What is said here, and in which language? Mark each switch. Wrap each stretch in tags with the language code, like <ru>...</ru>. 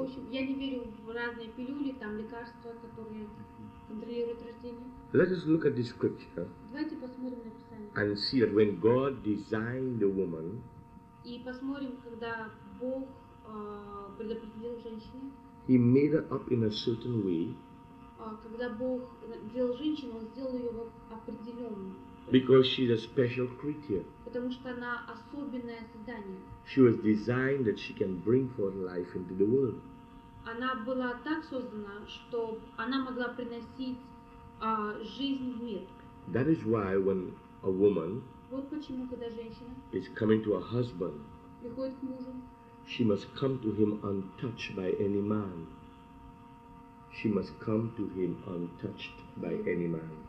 <ru>я не верю в разные пилюли, там лекарства, которые контролируют рождение.</ru> <en>Let us look at the scripture.</en> <ru>Давайте посмотрим на Писание.</ru> <en>And see that when God designed the woman,</en> <ru>и посмотрим, когда Бог предопределил женщине.</ru> <en>He made her up in a certain way.</en> <ru>Когда Бог делал женщину, он сделал ее определенной.</ru> <en>Because she's a special creature.</en> <ru>Потому что она особенное создание.</ru> <en>She was designed that she can bring forth life into the world. А</en> <ru>она была так создана, что она могла приносить жизнь в мир.</ru> <en>That is why when a woman</en> <ru>вот почему, когда женщина</ru> <en>is coming to a husband,</en> <ru>приходит к мужу,</ru> <en>she must come to him untouched by any man. She must come to him untouched by any man.</en>